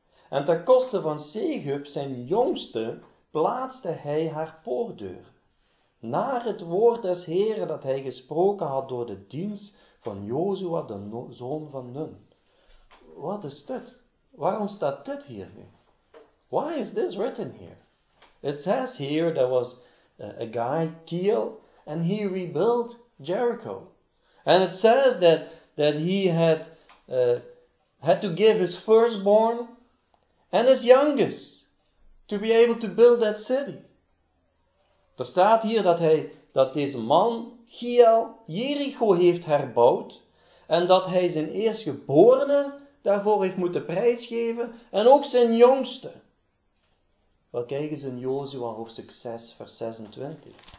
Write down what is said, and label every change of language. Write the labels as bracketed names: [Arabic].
[Dutch] En ten koste van Segub, zijn jongste, plaatste hij haar poortdeur. Naar het woord des Heren dat hij gesproken had door de dienst van Jozua, de zoon van Nun. Wat is dit? Waarom staat dit hier nu? [English] Why is this written here? It says here there was a guy, Kiel, and he rebuilt Jericho. And it says that he had to give his firstborn and his youngest to be able to build that city. [Dutch] Er staat hier dat deze man, Giel, Jericho heeft herbouwd en dat hij zijn eerstgeborene daarvoor heeft moeten prijsgeven en ook zijn jongste. Wel, kijk eens in Jozua hoofdstuk 6, vers 26.